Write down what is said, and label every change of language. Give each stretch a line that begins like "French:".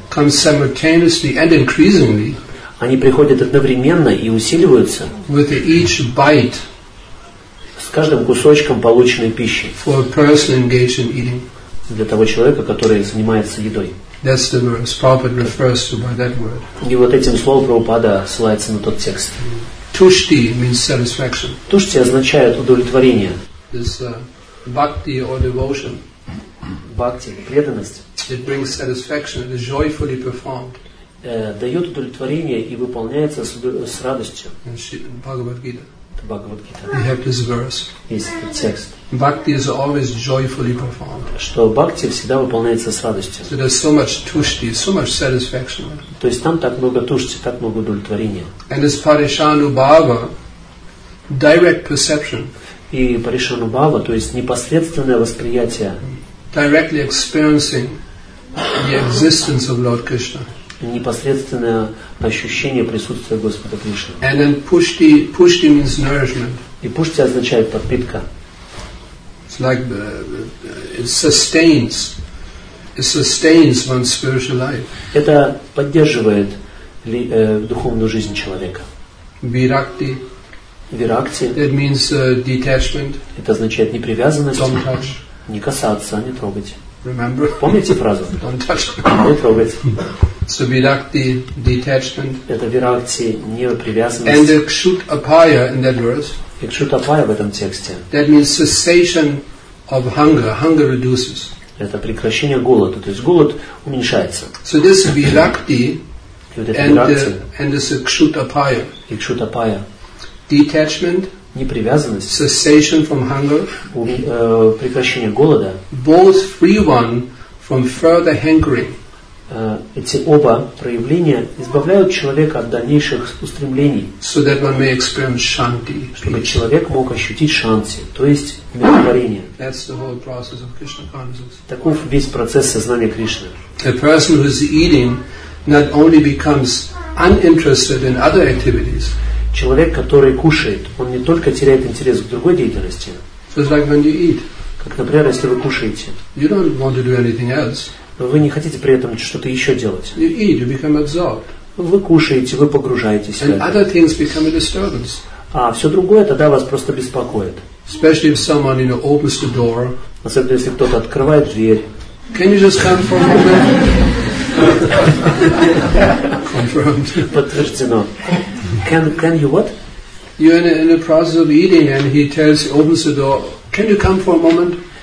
English: comes simultaneously and increasingly,
Russian: они приходят одновременно и усиливаются,
English: with each bite,
Russian: с каждым кусочком полученной пищи,
English: for a person engaged in eating,
Russian: для того человека, который занимается едой.
English: That's the verse Prabhupada refers to by that word.
Russian: И вот этим словом Прабхупада ссылается на тот текст.
English: Tushti means satisfaction.
Russian: Tushti означает удовлетворение.
English: This bhakti or devotion.
Russian: Bhakti, преданность.
English: It brings satisfaction. It is joyfully performed.
Russian: Дает удовлетворение и выполняется с радостью.
English: Bhagavad-gita.
Russian: Bhagavad-gita.
English: We have this verse.
Russian: Есть этот текст.
English: Bhakti is always joyfully performed.
Russian: Что бхакти всегда выполняется с радостью.
English: So there's so much tushti, so much satisfaction.
Russian: То есть там так много тушти, так много удовлетворения.
English: And as Parishanubhava, direct perception.
Russian: И Parishanubhava, то есть непосредственное восприятие.
English: Directly experiencing the existence of Lord Krishna.
Russian: Непосредственное ощущение присутствия Господа Кришны.
English: And then pushti, pushti means nourishment.
Russian: И пушти означает подпитка.
English: Like it sustains one's spiritual life.
Russian: Это поддерживает духовную жизнь человека.
English: Виракти.
Russian: Виракти.
English: That means detachment.
Russian: Это означает непривязанность.
English: Don't touch.
Russian: Не касаться, не трогать.
English: Remember.
Russian: Помните фразу?
English: Don't touch.
Russian: Не трогать.
English: So виракти, detachment.
Russian: Это виракти, непривязанность.
English: And the кшут-апая in that verse.
Russian: И кшут-апая в этом тексте.
English: That means cessation of hunger. Hunger reduces.
Russian: Это прекращение голода. То есть голод уменьшается.
English: So this virakti and this kshutapaya.
Russian: И кшут-апая.
English: Detachment.
Russian: Непривязанность.
English: Cessation from hunger.
Russian: Прекращение голода.
English: Both free one from further hankering.
Russian: Эти оба проявления избавляют человека от дальнейших устремлений,
English: so that one may experience shanti,
Russian: чтобы
English: peace.
Russian: Человек мог ощутить шанти, то есть умиротворение.
English: That's the whole process of Krishna consciousness.
Russian: Таков весь процесс сознания Кришны.
English: A person who is eating not only becomes uninterested in other activities.
Russian: Человек, который кушает, он не только теряет интерес к другой деятельности.
English: So it's like when you eat.
Russian: Как, например, если вы кушаете.
English: You don't want to do anything else.
Russian: Вы не хотите при этом что-то еще делать.
English: You eat, you become absorbed.
Russian: Вы кушаете, вы погружаетесь.
English: And other things become a disturbance.
Russian: А все другое тогда вас просто беспокоит.
English: Especially if someone, you know, opens the door.
Russian: Особенно если кто-то открывает дверь.
English: Can you just come for a moment? Confirmed.
Russian: Подтверждено.
English: Can you what? You're in the process of eating and he tells, he opens the door. Can you come for a moment?